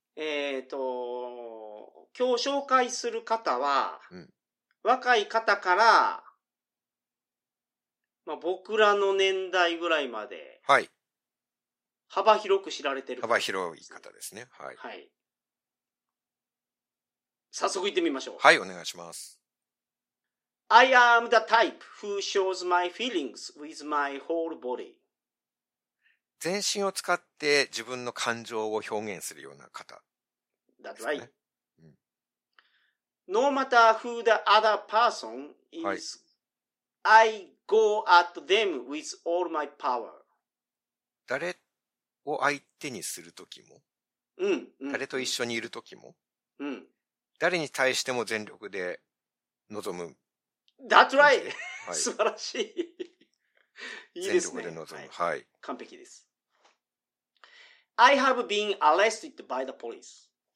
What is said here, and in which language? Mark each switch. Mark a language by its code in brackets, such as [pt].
[ja] 今日紹介する方は、うん、若い方から、まあ、僕らの年代ぐらいまで、はい、幅広く知られてる、ね、幅広い方ですね、はい、はい。早速行ってみましょう。はい、お願いします。 [en] I am the type who shows my feelings with my whole body。 [ja] 全身を使って自分の感情を表現するような方です [en] ね。That's right。 No matter who the other person is,、はい、I go at them with all my power. [ja] 誰を相手にするときも、うん、うん。誰と一緒にいるときも、うん。誰に対しても全力で臨む。 [en] That's right! [ja] 、はい、素晴らしい。いいですね。全力で臨む、はい。はい。完璧です。 [en] I have been arrested by the police.